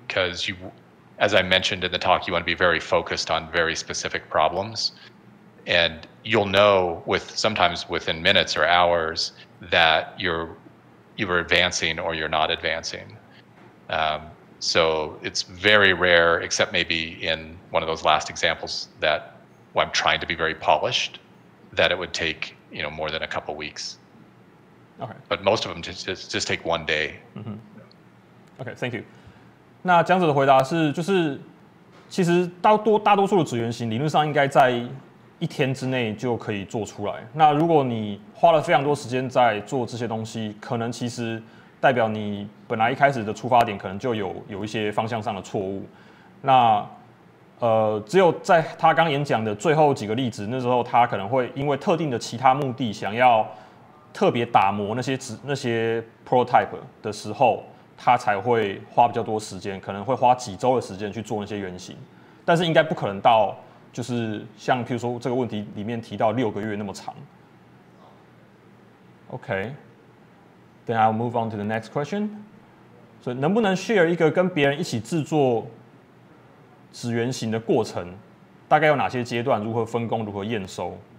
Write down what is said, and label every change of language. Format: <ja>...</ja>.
<en>because you, as I mentioned in the talk, you want to be very focused on very specific problems, and you'll know with sometimes within minutes or hours that you're advancing or you're not advancing. So it's very rare, except maybe in one of those last examples that. Well, I'm trying to be very polished, that it would take, you know, more than a couple weeks. Okay. But most of them just take one day. Mm-hmm. Okay, thank you.</en> <zh>那讲者的回答是，就是其实大多数的纸原型理论上应该在一天之内就可以做出来。那如果你花了非常多时间在做这些东西，可能其实代表你本来一开始的出发点可能就有一些方向上的错误。那只有在他刚演讲的最后几个例子，那时候他可能会因为特定的其他目的，想要特别打磨那些 prototype 的时候，他才会花比较多时间，可能会花几周的时间去做那些原型，但是应该不可能到就是像譬如说这个问题里面提到六个月那么长。</zh> <en>Okay, then I'll move on to the next question.</en> <zh>所以能不能 share 一个跟别人一起制作？紙原型的過程大概有哪些階段，如何分工，如何驗收。</zh>